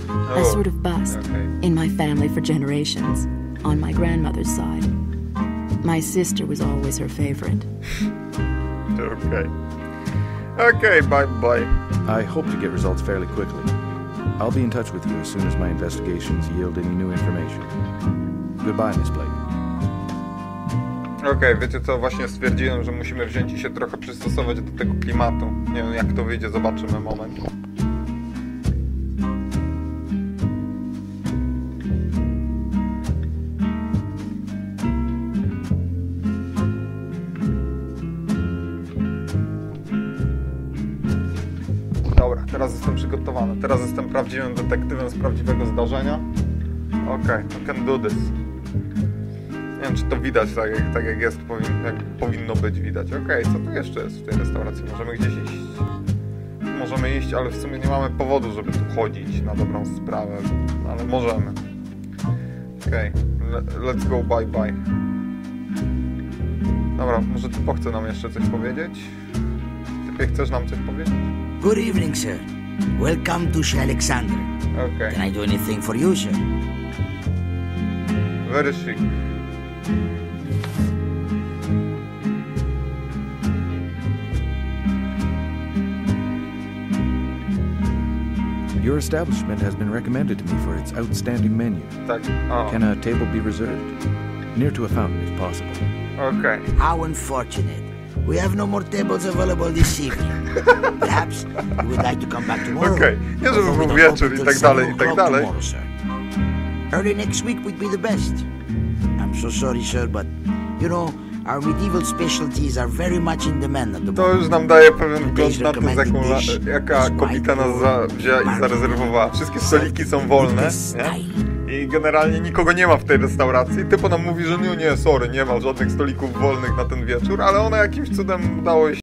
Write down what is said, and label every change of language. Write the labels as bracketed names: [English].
[English] A sort of bust in my family for generations, on my grandmother's side. My sister was always her favorite. Okay, bye. I hope to get results fairly quickly. I'll be in touch with you as soon as my investigations yield any new information. Goodbye, Miss Blake. [Polish] Okej, wiecie co, właśnie stwierdziłem, że musimy wziąć i się trochę przystosować do tego klimatu. Nie wiem, jak to wyjdzie, zobaczymy moment. Teraz jestem przygotowany. Teraz jestem prawdziwym detektywem z prawdziwego zdarzenia. Okej, [English] okay, I can do this. [Polish] Nie wiem, czy to widać tak jak jest, jak powinno być widać. Okej, okay, co tu jeszcze jest w tej restauracji? Możemy gdzieś iść? Możemy iść, ale w sumie nie mamy powodu, żeby tu chodzić na dobrą sprawę. Ale możemy. [English] Okej, okay, let's go, bye. [Polish] Dobra, może typo chce nam jeszcze coś powiedzieć? Typie, chcesz nam coś powiedzieć? [English] Good evening, sir. Welcome to Shell Alexander. Okay. Can I do anything for you, sir? Very chic. Your establishment has been recommended to me for its outstanding menu. [Polish] Tak. Oh. [English] Can a table be reserved? Near to a fountain, if possible. Okay. How unfortunate. We have no more tables available this evening. Perhaps you would like to come back tomorrow. [Polish] Okay, nie żeby był wieczór i tak dalej, i tak dalej. [English] Early next week would be the best. I'm so sorry, sir, but you know, our medieval specialties are very much in demand at the moment. [Polish] To już nam daje pewien wgląd na to, jaka kobieta nas wzięła i zarezerwowała. Wszystkie stoliki są wolne, nie? I generalnie nikogo nie ma w tej restauracji. Typ ona mówi, że nie, sorry, nie ma żadnych stolików wolnych na ten wieczór, ale ona jakimś cudem udało się...